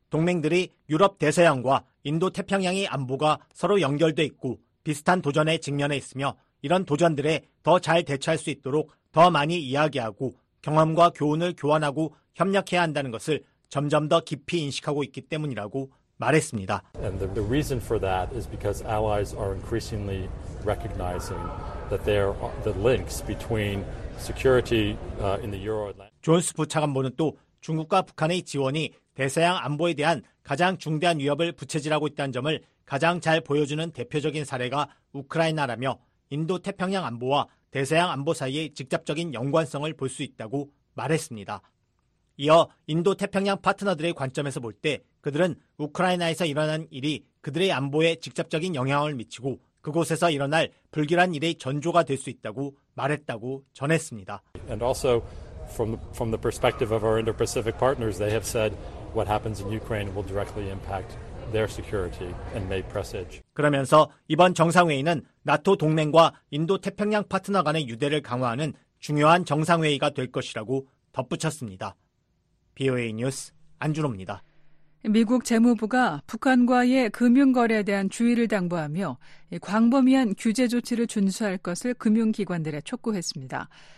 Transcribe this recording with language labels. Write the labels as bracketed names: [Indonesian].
[Korean] 동맹들이 유럽 대서양과 인도 태평양의 안보가 서로 연결돼 있고 비슷한 도전에 직면해 있으며 이런 도전들에 더 잘 대처할 수 있도록 더 많이 이야기하고 경험과 교훈을 교환하고 협력해야 한다는 것을 점점 더 깊이 인식하고 있기 때문이라고 말했습니다. [English] And the reason for that is because allies are increasingly recognizing that there are the links between security in the Euro-Atlantic. [Korean] 존스 부차관보는 또 중국과 북한의 지원이 대서양 안보에 대한 가장 중대한 위협을 부채질하고 있다는 점을 가장 잘 보여주는 대표적인 사례가 우크라이나라며 인도 태평양 안보와 대서양 안보 사이의 직접적인 연관성을 볼 수 있다고 말했습니다. 이어 인도 태평양 파트너들의 관점에서 볼 때 그들은 우크라이나에서 일어난 일이 그들의 안보에 직접적인 영향을 미치고 그곳에서 일어날 불길한 일의 전조가 될 수 있다고 말했다고 전했습니다. [English] And also from the perspective of our Indo-Pacific partners, they have said what happens in Ukraine will directly impact their security and may presage. [Korean] 그러면서 이번 정상회의는 나토 동맹과 인도 태평양 파트너 간의 유대를 강화하는 중요한 정상회의가 될 것이라고 덧붙였습니다. BOA 뉴스 안준호입니다. 미국 재무부가 북한과의 금융거래에 대한 주의를 당부하며 광범위한 규제 조치를 준수할 것을 금융기관들에 촉구했습니다.